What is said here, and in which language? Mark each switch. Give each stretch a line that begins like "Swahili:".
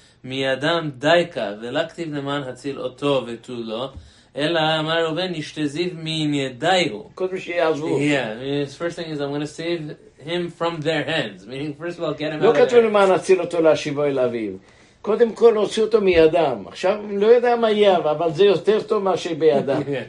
Hebrew: מידם דייקה, ולא כתיב למען הציל אותו ותו לא. אלא אמר רובן, נשתזיב מידיו. כל מי שיעזבו.
English: כן, his first thing is, I'm going to save... him from their hands. Meaning, first of all, get him
Hebrew: לא
English: out of their hands.
Hebrew: לא כתוב למען הציל אותו להשיבו אל אביו. קודם כל, הוציא אותו מידם. עכשיו, לא יודע מה יהיה, אבל זה יותר טוב מה שבידם.